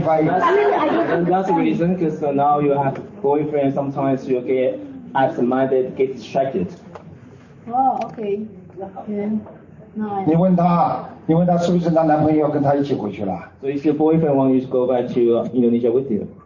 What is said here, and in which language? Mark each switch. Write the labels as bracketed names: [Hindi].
[English] That's the reason because、so、now you have boyfriend sometimes you get absent-minded get distracted okay Okay. Nice. [Chinese] 你问他是不是他男朋友要跟他一起回去了 [English] So is your boyfriend want you to go back to Indonesia with you?